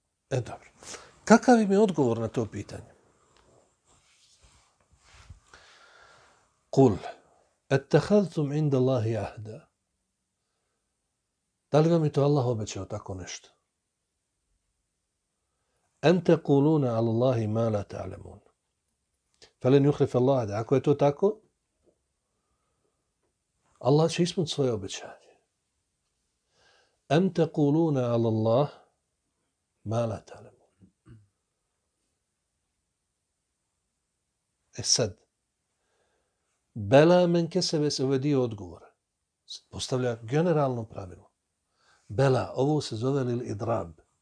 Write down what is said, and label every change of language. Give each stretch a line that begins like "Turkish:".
Bosnian: E dobro. Kakav im je odgovor na to pitanje?
Arabic: قل اتخذتم عند الله عهدا.
Bosnian: Da li vam je to Allah obećao tako nešto?
Arabic: أن تقولون على الله ما لا تعلمون. فلن يخلف الله عهده.
Bosnian: Ako je to tako, Allah će ispuniti svoje obećanje.
Arabic: أن تقولون على الله ما لا تعلمون.
Bosnian: E sad,
Arabic: bela men kesebe se,
Bosnian: ovo je dio odgovora. Postavlja generalno pravilo. Bela, ovo se zove lil idrab.